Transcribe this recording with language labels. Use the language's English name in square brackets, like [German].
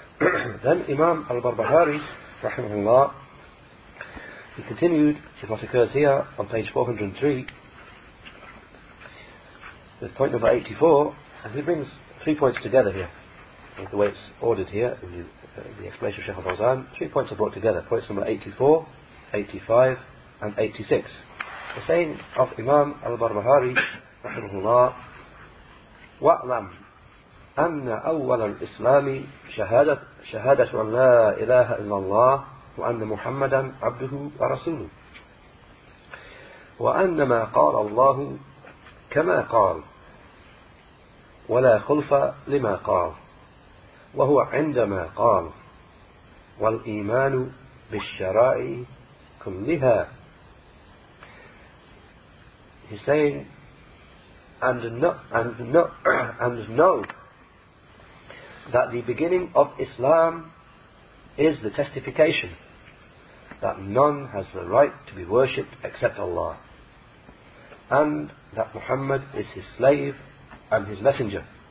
[English] Then Imam al-Barbahari, rahimahullah, he continued to what occurs here on page 403, the point number 84, and he brings three points together here, the way it's ordered here in the explanation of Sheikh al-Fawzan. Three points are brought together, points number 84, 85, and 86. The saying of Imam al-Barbahari, rahimahullah, [Arabic] wa'lam أن أول الإسلام شهادة شهادة أن لا إله إلا الله وأن محمدا عبده ورسوله وأن ما قال الله كما قال ولا خلف لما قال وهو عندما قال والإيمان بالشرائع كلها. [English] He's saying and know that the beginning of Islam is the testification that none has the right to be worshipped except Allah, and that Muhammad is his slave and his messenger,